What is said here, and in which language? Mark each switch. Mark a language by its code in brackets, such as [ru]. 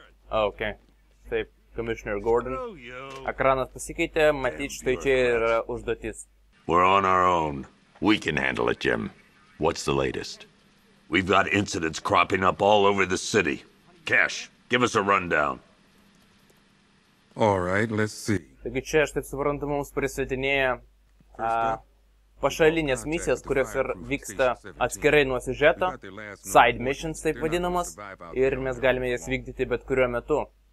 [lt] Ok, taip, Commissioner Gordon. Ekranas pasikeitė, matyt, štai čia yra užduotis. [en] We're on our own. We can handle it, Jim. What's the latest? We've got incidents cropping up all over the city. Cash, give us a rundown. All right, let's see. [lt] Taigi čia, aš taip suprantu, mums prisvetinėja pašalinės misijas, kurios ir vyksta atskirai nuo siužeto, side missions taip vadinamas, ir mes galime jas vykdyti bet kuriuo metu.